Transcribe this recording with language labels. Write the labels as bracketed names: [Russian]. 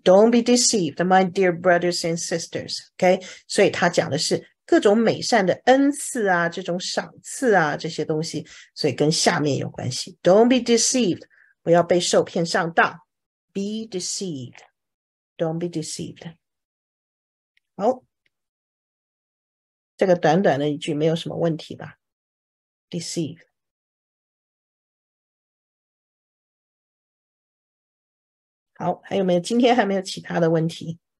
[English] Don't be deceived, my dear brothers and sisters、okay? [Chinese] 所以他讲的是各种美善的恩赐啊，这种赏赐啊，这些东西，所以跟下面有关系。 [English] Don't be deceived， [Chinese] 不要被受骗上当。 [English] Be deceived， don't be deceived。 [Chinese] 好，这个短短的一句没有什么问题吧 ？Deceive。好，还有没有？今天还没有其他的问题。